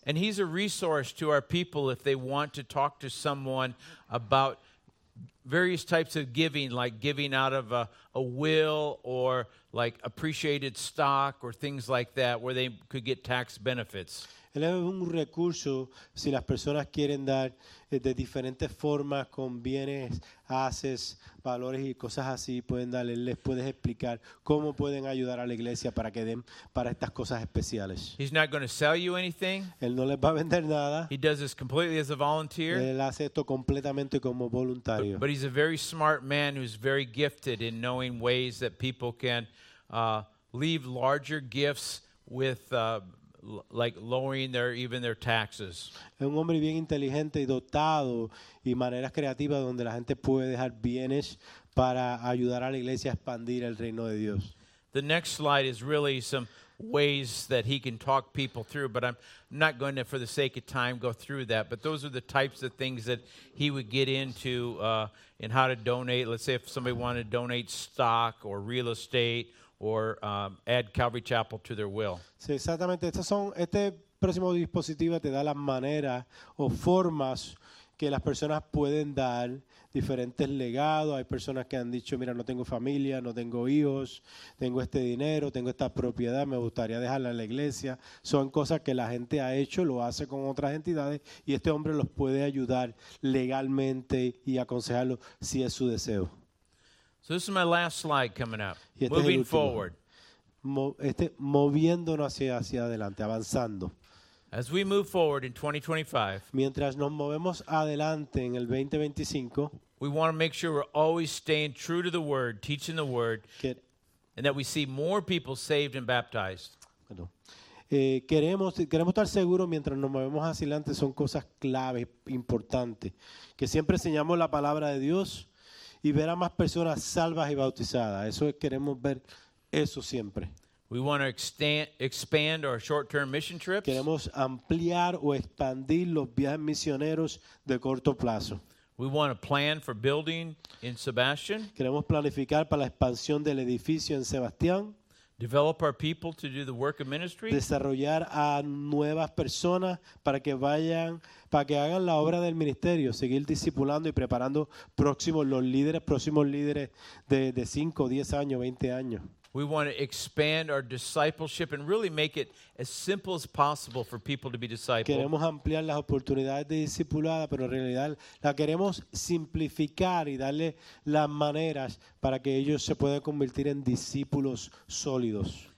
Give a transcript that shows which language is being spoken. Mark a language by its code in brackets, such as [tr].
[en] And he's a resource to our people if they want to talk to someone about various types of giving, like giving out of a will or like appreciated stock or things like that, where they could get tax benefits. [es] Él es un recurso si las personas quieren dar de diferentes formas, con bienes, haces, valores y cosas así, pueden darle, les puedes explicar cómo pueden ayudar a la iglesia para que den para estas cosas especiales. [en] He's not going to sell you anything. [es] Él no les va a vender nada. [en] He does this completely as a volunteer. [es] Él hace esto completamente como voluntario. [en] But he's a very smart man who's very gifted in knowing ways that people can leave larger gifts with like lowering their even their taxes. [es] Es un hombre bien inteligente y dotado y maneras creativas donde la gente puede dejar bienes para ayudar a la iglesia a expandir el reino de Dios. [en] The next slide is really some ways that he can talk people through, but I'm not going to, for the sake of time, go through that. But those are the types of things that he would get into in how to donate. Let's say if somebody wanted to donate stock or real estate or add Calvary Chapel to their will. [es] Sí, exactamente. Este próximo dispositivo te da las maneras o formas que las personas pueden dar diferentes legados. Hay personas que han dicho, mira, no tengo familia, no tengo hijos, tengo este dinero, tengo esta propiedad, me gustaría dejarla en la iglesia. Son cosas que la gente ha hecho, lo hace con otras entidades, y este hombre los puede ayudar legalmente y aconsejarlo si es su deseo. [en] So this is my last slide coming up. Moving forward. [es] Moviéndonos hacia adelante, avanzando. [en] As we move forward in 2025, [es] mientras nos movemos adelante en el 2025, [en] we want to make sure we're always staying true to the Word, teaching the Word, and that we see more people saved and baptized. [es] Queremos estar seguros mientras nos movemos hacia adelante, son cosas clave, importantes, que siempre enseñamos la palabra de Dios y ver a más personas salvas y bautizadas. Eso es, queremos ver eso siempre. [en] We want to expand our short-term mission trips. [es] Queremos ampliar o expandir los viajes misioneros de corto plazo. [en] We want to plan for building in Sebastian. [es] Queremos planificar para la expansión del edificio en Sebastián. [en] Develop our people to do the work of ministry. [es] Desarrollar a nuevas personas para que vayan, para que hagan la obra del ministerio, seguir discipulando y preparando próximos líderes de 5, 10 años, 20 años. [en] We want to expand our discipleship and really make it as simple as possible for people to be discipled. [es] Queremos ampliar las oportunidades de discipulada, pero en realidad la queremos simplificar y darle las maneras para que ellos se puedan convertir en discípulos sólidos.